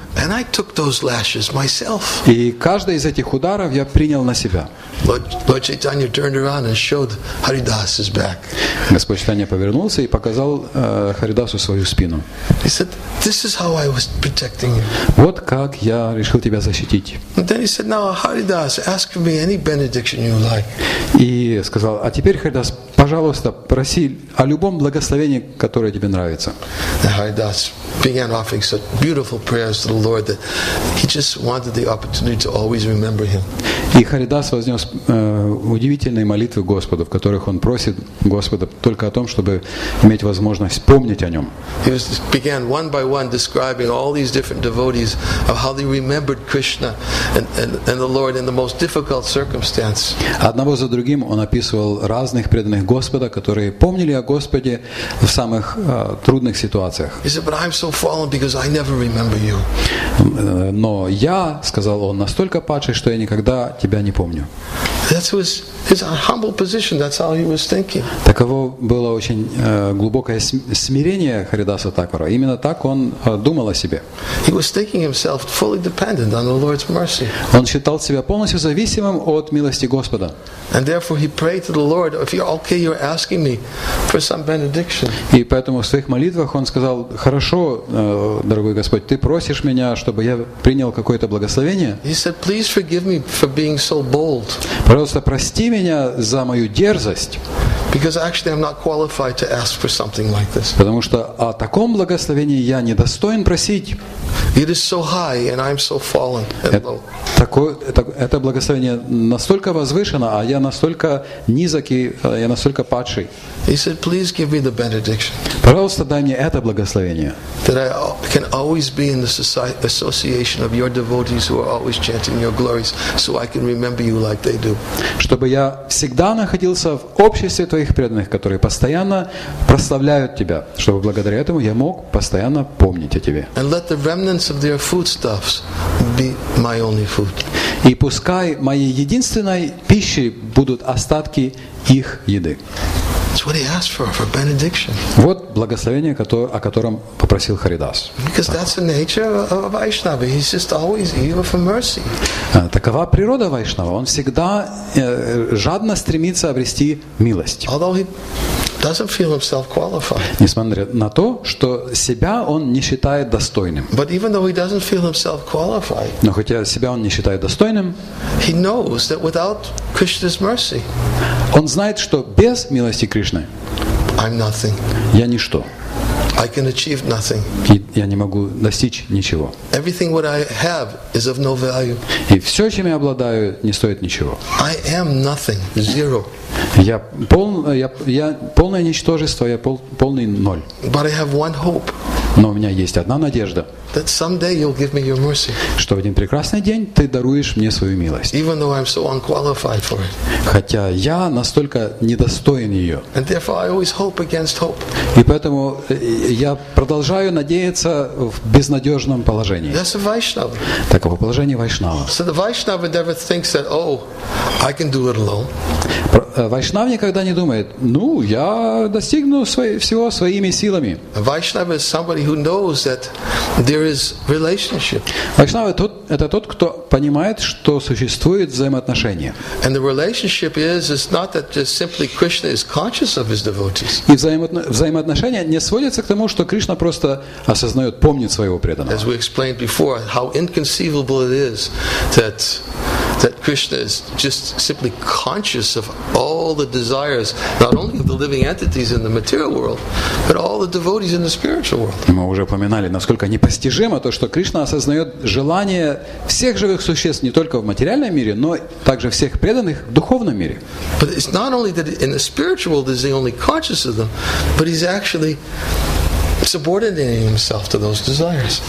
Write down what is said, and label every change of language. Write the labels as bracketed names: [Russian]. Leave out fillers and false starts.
[English] And I took those lashes myself. [Russian] И каждый из этих ударов я принял на себя. [English] Lord Chaitanya turned around and showed Haridas his back. [Russian] Господь Чайтанья повернулся и показал Харидасу свою спину. [English] He said, "This is how I was protecting you." [Russian] Вот как я решил тебя защитить. [English] And then he said, "Now, Haridas, ask me any benediction you like." [Russian] И сказал: а теперь, Харидас, пожалуйста, проси о любом благословении, которое тебе нравится. [English] And Haridas began offering such beautiful prayers to the Lord that he just wanted the opportunity to always remember him. [Russian] И Харидас вознес удивительные молитвы Господу, в которых он просит Господа только о том, чтобы иметь возможность помнить о нем. [English] He began one by one describing all these different devotees of how they remembered Krishna and the Lord in the most difficult circumstances. [Russian] Одного за другим он описывал разных преданных Господа, которые помнили о Господе в самых трудных ситуациях. [English] He said, "But I'm so fallen because I never remember you." [Russian] Но я, сказал он, настолько падший, что я никогда тебя не помню. [English] That was his humble position. That's how he was thinking. [Russian] Таково было очень глубокое смирение Харидаса Такура. Именно так он думал о себе. [English] He was thinking himself fully dependent on the Lord's mercy. [Russian] Он считал себя полностью зависимым от милости Господа. [English] And therefore he prayed to the Lord, "If you're okay, you're asking me for some benediction." [Russian] И поэтому в своих молитвах он сказал: "Хорошо, дорогой Господь, ты просишь меня, чтобы я принял какое-то благословение?" [English] He said, "Please forgive me for being so bold." [Russian] Просто прости меня за мою дерзость. [English] Because actually I'm not qualified to ask for something like this. [Russian] Потому что о таком благословении я недостоин просить. [English] It is so high and I'm so fallen and low. [Russian] Это благословение настолько возвышено, а я настолько низок и я настолько падший. [English] He said, "Please give me the benediction." [Russian] Пожалуйста, дай мне это благословение. [English] That I can always be in the association of your devotees who are always chanting your glories, so I can remember you like they do. [Russian] Чтобы я всегда находился в обществе твоих тех преданных, которые постоянно прославляют тебя, чтобы благодаря этому я мог постоянно помнить о тебе. [English] And let the remnants of their foodstuffs be my only food. [Russian] И пускай моей единственной пищей будут остатки их еды. [English] That's what he asked for benediction. [Russian] Вот благословение, о котором попросил Харидас. [English] Because that's the nature of a Vaishnava. He's just always eager for mercy. [Russian] Такова природа Вайшнава. Он всегда жадно стремится обрести милость. [English] Although he doesn't feel himself qualified. [Russian] Несмотря на то, что себя он не считает достойным. [English] But even though he doesn't feel himself qualified. [Russian] Но хотя себя он не считает достойным. [English] He knows that without Krishna's mercy. [Russian] Он знает, что без милости Кришны. [English] I'm nothing. [Russian] Я ничто. [English] I can achieve nothing. [Russian] Я не могу достичь ничего. [English] Everything what I have is of no value. [Russian] И все, чем я обладаю, не стоит ничего. [English] I am nothing, zero. [Russian] Я полное ничтожество, я полный ноль. [English] But I have one hope. [Russian] Но у меня есть одна надежда. [English] That someday you'll give me your mercy. [Russian] Что в один прекрасный день ты даруешь мне свою милость. [English] Even though I'm so unqualified for it. [Russian] Хотя я настолько недостоин ее. [English] And therefore I always hope against hope. [Russian] И поэтому я продолжаю надеяться в безнадежном положении. [English] That's a Vaishnava. [Russian] Таково положение Вайшнава. [English] So the Vaishnava never thinks that, oh, I can do it alone. [Russian] Вайшнав никогда не думает, ну, я достигну всего своими силами. [English] Vaishnava is somebody who knows that there is relationship. [Russian] Вайшнава это тот, кто понимает, что существует взаимоотношение. [English] And the relationship is not that just simply Krishna is conscious of his devotees. [Russian] И взаимоотношение не сводится к тому, что Кришна просто осознает, помнит своего преданного. [English] As we explained before, how inconceivable it is that Krishna is just simply conscious of all the desires, not only of the living entities in the material world, but all the devotees in the spiritual world. [Russian] Мы уже упоминали, насколько непостижимо то, что Кришна осознает желания всех живых существ не только в материальном мире, но также всех преданных в духовном мире. [English] But it's not only that in the spiritual world is he only conscious of them, but he's actually subordinating himself to those desires.